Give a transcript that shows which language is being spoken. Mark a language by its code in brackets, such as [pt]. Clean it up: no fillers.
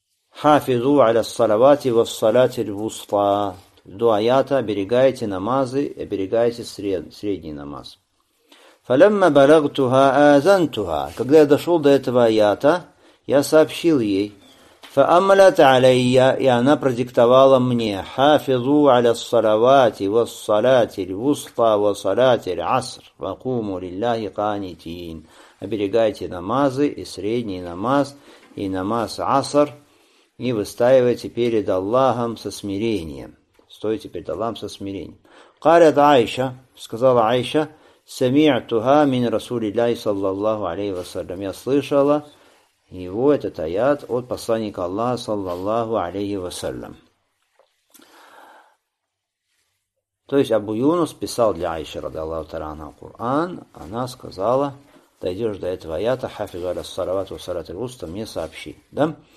[ar] «Хафизу аля салавати ва салати л-вусла». [ru] До аята оберегайте намазы, оберегайте средний намаз. [ar] «Фалямма балагтуха азантуха». [ru] Когда я дошел до этого аята, я сообщил ей. [ar] فأملت علي [ru] и она продиктовала мне [ar] حافظوا على الصلوات والصلاة الوسطى وصلاة العصر وقوموا لله قانتين. [ru] Оберегайте намазы и средний намаз и намаз аср и выстаивайте перед Аллахом со смирением. Стойте перед Аллахом со смирением. [ar] قالت عائشة, [ru] сказала Аиша, [ar] سمعتها من رسول الله صلى الله عليه وسلم. [ru] Я слышала его этот аят от посланника Аллаха, [ar] саллаллаху алейхи вассалям. [ru] То есть Абу Юнус писал для Аиши, ради Аллаху Тааля, Кур'ан. Она сказала, дойдешь до этого аята, [ar] хафизу аля салавати ва салати л-вусто, [ru] мне сообщи. Да?